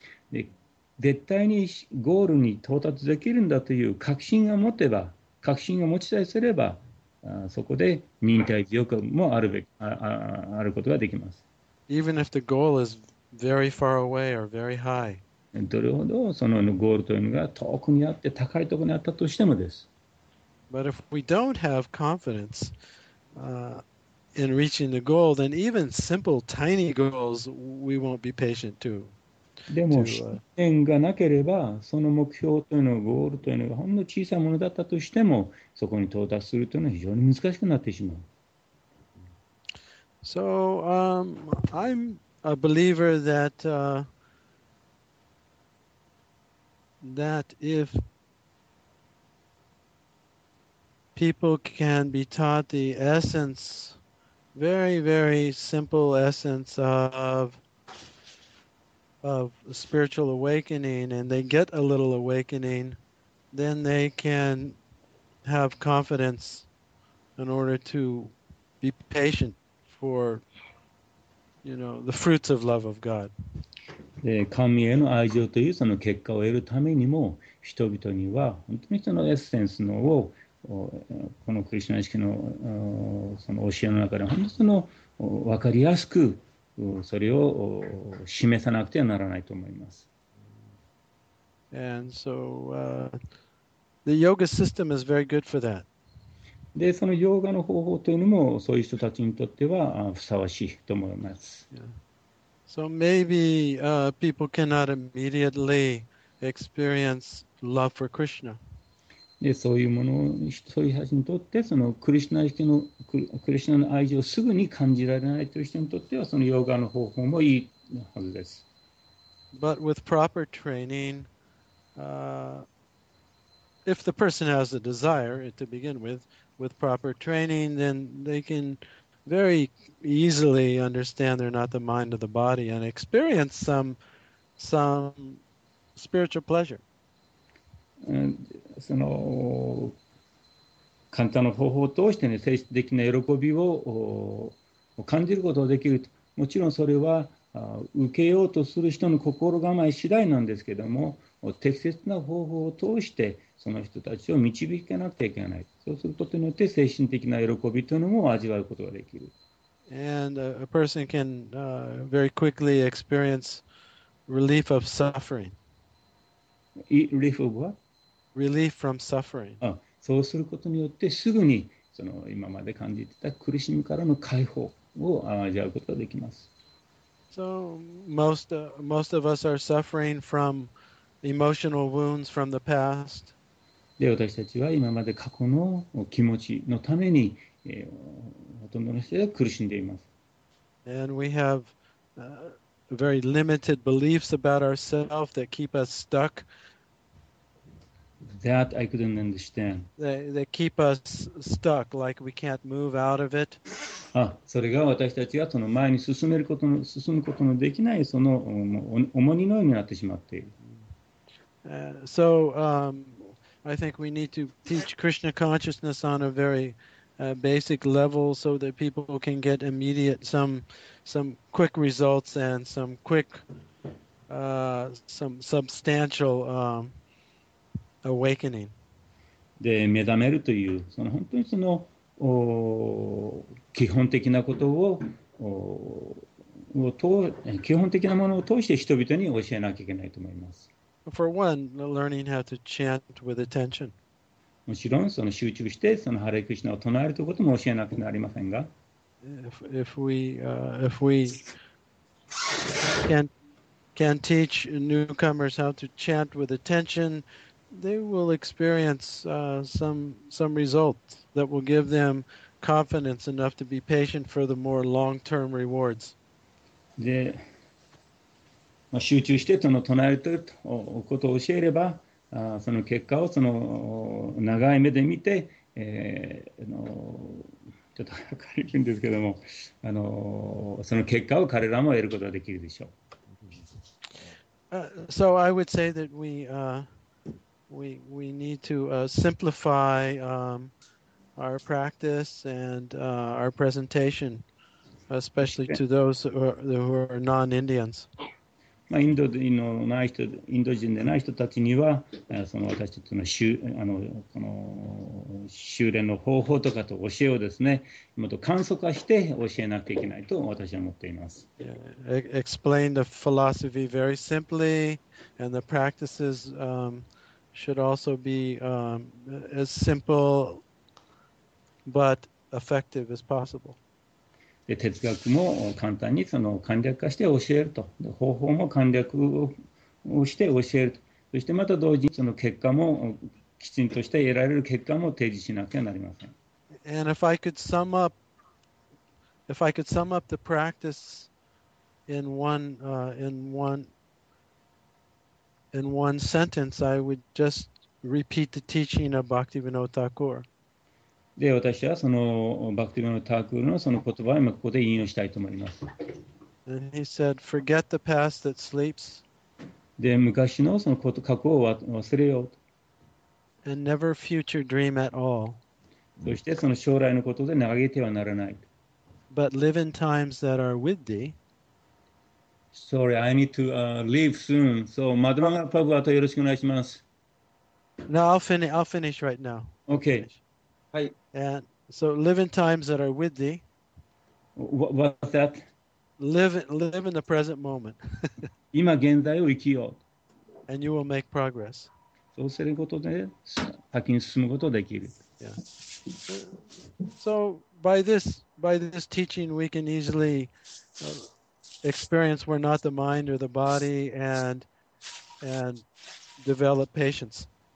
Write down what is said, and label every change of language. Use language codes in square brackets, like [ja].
[ja] で、絶対にゴールに到達できるんだという確信が持てば、確信を持ちさえすれば、そこで忍耐強くもあるべき、あることができます。 [en] Even if the goal is very far away or very high. [ja] どれほどそのゴールというのが遠くにあって高いところにあったとしてもです。 [en] But if we don't have confidence, in reaching the goal, then even simple tiny goals, we won't be patient to. [ja] でも視点がなければその目標というのゴールというのがほんの小さなものだったとしてもそこに到達するというのは非常に難しくなってしまう。 [en] So, I'm a believer that that if people can be taught the essence, very very simple essence of spiritual awakening, and they get a little awakening, then they can have confidence in order to be patient for, you know, the fruits of love of God. [ja] で、神への愛情というその結果を得るためにも、人々には本当にそのエッセンスのをこのクリシュナ意識のその教えの中で本当にその分かりやすくそれを示さなくてはならないと思います。 [en] And so, the yoga system is very good for that. [ja] で、そのヨガの方法というのもそういう人たちにとってはふさわしいと思います。 [en] So maybe, people cannot immediately experience love for Krishna. [ja] で、そういうものを、そういう人たちにとって、そのクリシュナ意識の、クリシュナの愛情をすぐに感じられないという人にとっては、そのヨガの方法もいいはずです。 [en] But with proper training, if the person has a desire to begin with proper training, then they can very easily understand they're not the mind of the body and experience some spiritual pleasure. [ja] その簡単な方法を通してね、精神的な喜びを感じることができると。もちろんそれは受けようとする人の心構え次第なんですけども、適切な方法を通してその人たちを導かなくてはいけない。そうすることによって精神的な喜びというのも味わうことができる。 [en] And a person can very quickly experience relief of suffering. Relief of what? Relief from suffering. [ja] あ、そうすることによってすぐにその今まで感じてた苦しみからの解放を味わうことができます。 [en] So most of us are suffering from emotional wounds from the past. [ja] で、私たちは今まで過去の気持ちのために、ほとんどの人は苦しんでいます。 [en] And we have very limited beliefs about ourselves that keep us stuck. That I couldn't understand. They keep us stuck, like we can't move out of it. [ja] Ah, それが私たちがその前に進めることの進むことのできないその重荷のようになってしまっている。 [en] So, I think we need to teach Krishna consciousness on a very basic level so that people can get immediate some quick results and some quick some substantial. Awakening. [ja] で、目覚めるという、その本当にその基本的なことを基本的なものを通して人々に教えなきゃいけないと思います。 [en] For one, learning how to chant with attention. [ja] もちろんその集中してそのハレクリシナを唱えるということも教えなくなりませんが、 [en] if we can teach newcomers how to chant with attention, they will experience some result that will give them confidence enough to be patient for the more long-term rewards. [ja] で、まあ、集中してその唱えるということを教えれば、その結果をその長い目で見て、ちょっと分かりにくいんですけども、その結果を彼らも得ることができるでしょう。 [en] So I would say that we need to simplify our practice and our presentation, especially to those who are non-Indians. [ja] まあ、インド人のない人、インド人でない人たちには、その私たちの修、あの、この修練の方法とかと教えをですね、もっと簡素化して教えなきゃいけないと私は思っています。 [en] Explain the philosophy very simply, and the practices should also be as simple but effective as possible. [ja] で哲学も簡単にその簡略化して教えると、方法も簡略をして教えると、そしてまた同時にその結果もきちんとして得られる結果も提示しなきゃなりません。 [en] And if I could sum up, if I could sum up the practice in one, in one sentence, I would just repeat the teaching of Bhaktivinoda Thakur. [ja] で私はそのバクティヴィノータークールのその言葉を今ここで引用したいと思います。 [en] And he said, forget the past that sleeps. [ja] で昔のその過去を忘れようと。 [en] And never future dream at all. [ja] そしてその将来のことで嘆いてはならない。 [en] But live in times that are with thee. Sorry, I need to leave soon. [ja] So, マドラガパブあとよろしくお願いします。 [en] No, I'll finish right now. Okay. And so live in times that are with thee. What's that? Live in the present moment. [ja] 今現在を生きよう。 [en] And you will make progress. [ja] そうすることで先に進むことができる。 [en] Yeah. So by this teaching, we can easily experience we're not the mind or the body, and develop patience.